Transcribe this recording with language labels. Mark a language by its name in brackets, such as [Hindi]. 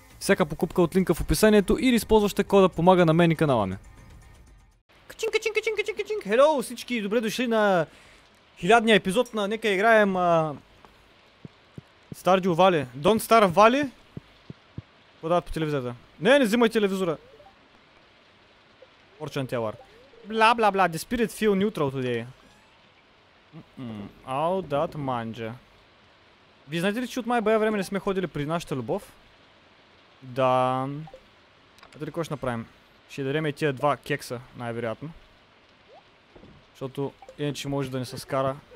[Bulgarian] Всяка покупка от линка в описанието или използваща кода помага на мен и канала ми. Качинг! Хело всички, добре дошли на хилядния епизод на Нека играем Stardew Valley. [English] Don't Starve Valley. [Bulgarian] Подават по телевизията. Не, не взимай телевизора. [English] Fortune Tower. [Bulgarian] Бла-бла-бла, [English] the spirit feel neutral today. All that manja. [Bulgarian] Ви знаете ли, че от май бая време не сме ходили при нашата любов? Да. Ето ли какво ще направим? Ще дадем и тия два кекса, най-вероятно. Защото иначе може да ни се скара.